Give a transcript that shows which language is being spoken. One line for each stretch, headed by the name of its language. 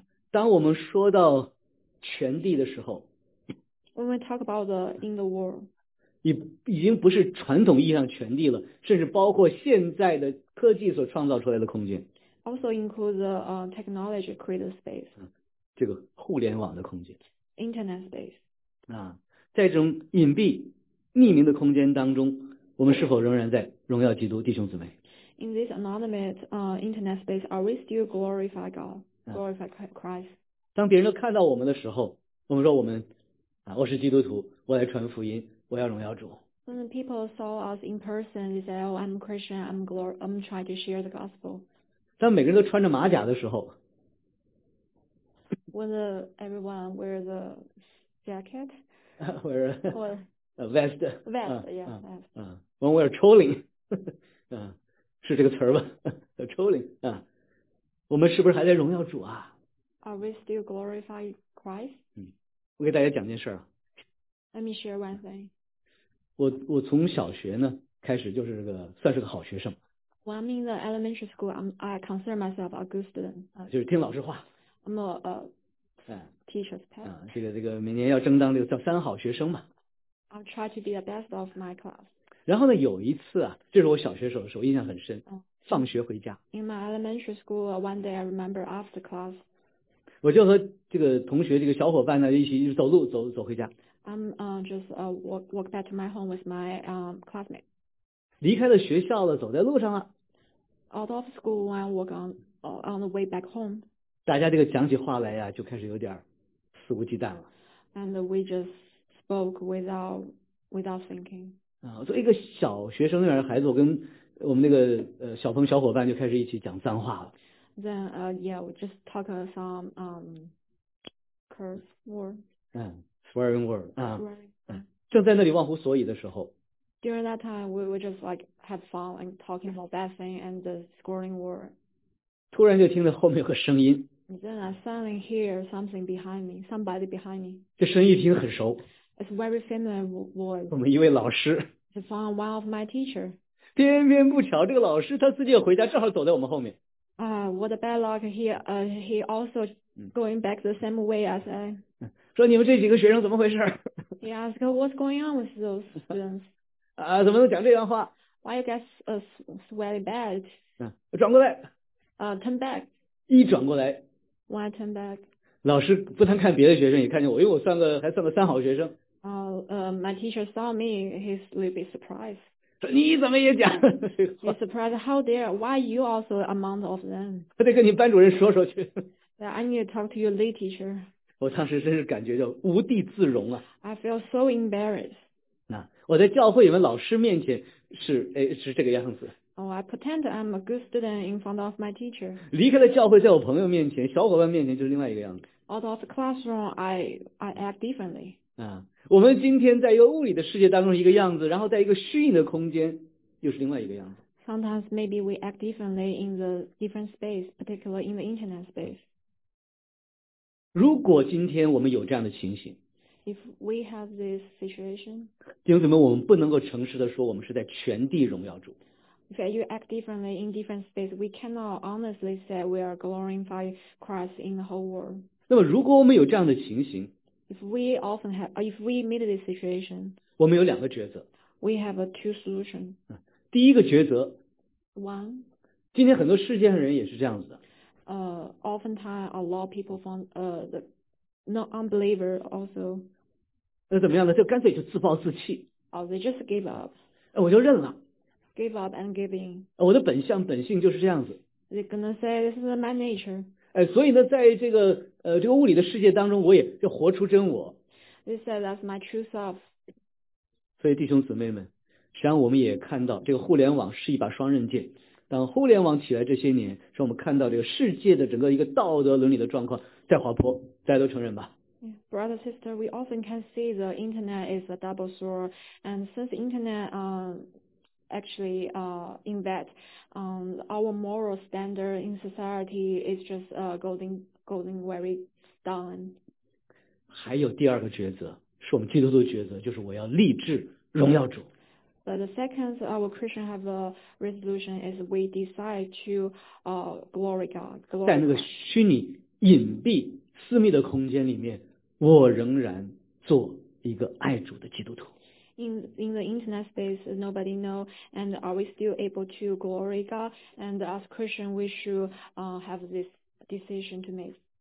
Chinese: 当我们说到全地的时候
English: ，When we talk about the in the world.
Chinese: 已经不是传统意义上全地了，甚至包括现在的科技所创造出来的空间。
English: Also include the technology created space.
Chinese: 这个互联网的空间。
English: Internet space.
Chinese: 在这种隐蔽、匿名的空间当中，我们是否仍然在荣耀基督，弟兄姊妹
English: ？In this anonymous internet space, are we still glorify God, glorify Christ?
Chinese: 当别人都看到我们的时候，我们说我们我是基督徒，我来传福音。我要荣耀主。
English: When people saw us in person, they said, "Oh, I'm Christian. I'm trying to share the gospel."
Chinese: 当每个人都穿着马甲的时候
English: ，When everyone wear the jacket, wear a vest, vest, when we're trolling,
Chinese: 是这个词吧 ？trolling, 我们是不是还在荣耀主啊
English: ？Are we still glorify Christ?
Chinese: 我给大家讲件事。
English: Let me share one thing.
Chinese: 我从小学呢开始就是个算是个好学生。
English: When I'm in the elementary school, I consider myself a good student.
Chinese: 就是听老师话。
English: I'm a teacher's pet.
Chinese: 这个每年要争当这个叫三好学生嘛。
English: I'll try to be the best of my class.
Chinese: 然后呢，有一次啊，这是我小学时候的时候，印象很深。放学回家。
English: In my elementary school, one day I remember after class.
Chinese: 我就和这个同学这个小伙伴呢一起走路走回家。
English: I'm walk back to my home with my classmate.
Chinese: 离开了学校了，走在路上了。
English: Out of school, I walk on the way back home.
Chinese: 大家这个讲起话来呀，就开始有点肆无忌惮了。
English: And we just spoke without thinking.
Chinese: 作为一个小学生那样的孩子，我跟我们那个小朋友小伙伴就开始一起讲脏话了。
English: Then we just talk some curse words. Swearing word
Chinese: 正在那里忘乎所以的时候
English: ，During that time, we would just like have fun and talking about bad thing and the swearing word.
Chinese: 突然就听到后面有个声音
English: ，Then I suddenly hear something behind me, somebody behind me.
Chinese: 这声音一听很熟
English: ，It's very familiar voice.
Chinese: 我们一位老师
English: ，It's from one of my teacher.
Chinese: 偏偏不巧，这个老师他自己也回家，正好走在我们后面。
English: What a bad luck! He also going back the same way as I.
Chinese: 说你们这几个学生怎么回事
English: ？He asked, "What's going on with those students?"
Chinese: 怎么能讲这样话
English: ？Why you guys swear bad?
Chinese: 转过来。
English: Turn back.
Chinese: 一转过来。
English: Why turn back?
Chinese: 老师不但看别的学生，也看见我，因为我还算个三好学生。
English: My teacher saw me. He's a little bit surprised.
Chinese: 说你怎么也讲
English: ？He's surprised. How dare? Why you also among of them?
Chinese: 我得跟你班主任说说去。
English: Yeah, I need to talk to your lead teacher.
Chinese: 我当时真是感觉叫无地自容啊
English: ！I feel so embarrassed.
Chinese: 我在教会里面老师面前是这个样子。
English: Oh, I pretend I'm a good student in front of my teacher.
Chinese: 离开了教会，在我朋友面前、小伙伴面前就是另外一个样子。
English: Out of the classroom, I act differently.
Chinese: 我们今天在一个物理的世界当中一个样子，然后在一个虚拟的空间又是另外一个样子。
English: Sometimes maybe we act differently in the different space, particularly in the internet space.
Chinese: 如果今天我们有这样的情形
English: ，If we have this situation，
Chinese: 弟兄姊妹，我们不能够诚实的说我们是在全地荣耀主。
English: If you act differently in different space, we cannot honestly say we are glorifying Christ in the whole world.
Chinese: 那么，如果我们有这样的情形
English: ，If we meet this situation，
Chinese: 我们有两个抉择。
English: We have two solutions.
Chinese: 第一个抉择
English: ，One，
Chinese: 今天很多世界上人也是这样子的。
English: Oftentimes a lot of people from the not unbeliever also.
Chinese: 那怎么样呢？就干脆就自暴自弃。
English: They just give up.
Chinese: 我就认了。
English: Give up and giving.
Chinese: 我的本性就是这样子。
English: They're gonna say this is my nature.
Chinese: 所以呢，在这个物理的世界当中，我也就活出真我。
English: They said that's my true self.
Chinese: 所以弟兄姊妹们，实际上我们也看到这个互联网是一把双刃剑，当互联网起来这些年，让我们看到这个世界的整个一个道德伦理的状况在滑坡，大家都承认吧。
English: Brother, sister, we often can see the internet is a double sword, and since the internet actually invade our moral standard in society is just going very down.
Chinese: 还有第二个抉择，是我们基督徒的抉择，就是我要立志荣耀主。
English: But the second our Christian have a resolution is we decide to glory God.
Chinese: 在那个虚拟、隐蔽、私密的空间里面。我仍然做一个爱主的基督徒。
English: In the internet space, nobody know, and are we still able to glory God? And as Christian, we should have this decision to make.